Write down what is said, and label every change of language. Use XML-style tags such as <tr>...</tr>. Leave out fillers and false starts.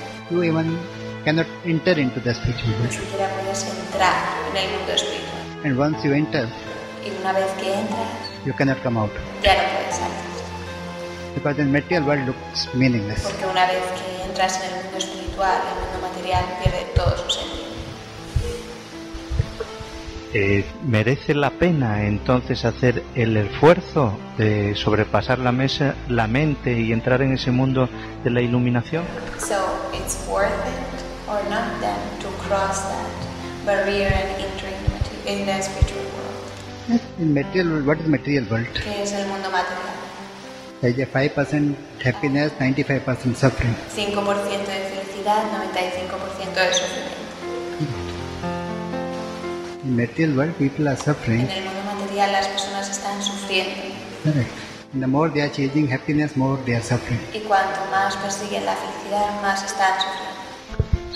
<en>you even cannot enter into the spiritual world.</en> <es>Ni siquiera puedes entrar en el mundo espiritual.</es> <en>And once you enter,</en> <es>y una vez que entras,</es> <en>you cannot come out.</en> <es>Ya no puedes salir.</es> <en>Because the material world looks meaningless.</en> <es>Porque una vez que entras en el mundo espiritual, el mundo material pierde todo su sentido. ¿Merece la pena entonces hacer el esfuerzo de sobrepasar la mesa, la mente y entrar en ese mundo de la iluminación?</es> <en>So it's worth it or not then to cross that barrier and enter in the spiritual world? In material world, what is material world?</en> <es>¿Qué es el mundo material?</es> <en>There is 5% happiness, 95% suffering.</en> <es>5% de felicidad, 95% de sufrimiento.</es> <en>In material world, people are suffering.</en> <es>En el mundo material, las personas están sufriendo.</es> <en>Correct. And the more they are chasing happiness, more they are suffering.</en> <es>Y cuanto más persiguen la felicidad, más están sufriendo.</es>